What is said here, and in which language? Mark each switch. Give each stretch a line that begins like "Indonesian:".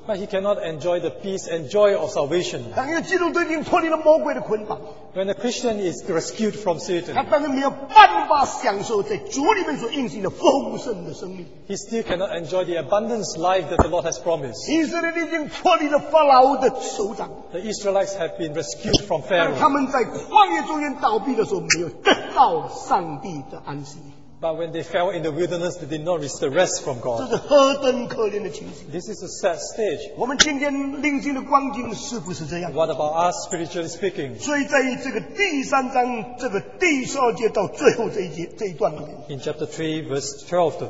English: But he cannot enjoy the peace and joy of salvation.
Chinese: 当一个基督徒已经脱离了魔鬼的捆绑。
English: When a Christian is rescued from Satan,
Chinese: 他当然没有办法享受在主里面所应许的丰盛的生命。
English: He still cannot enjoy the abundance life that the Lord has promised.
Chinese: 以色列已经脱离了法老的手掌。
English: The Israelites have been rescued from Pharaoh.
Chinese: 当他们在旷野中间倒闭的时候，没有得到上帝的安息。
English: But when they fell in the wilderness, they did not reach the rest from God. This is a sad stage. What about us, spiritually speaking? In chapter 3, verse 12 to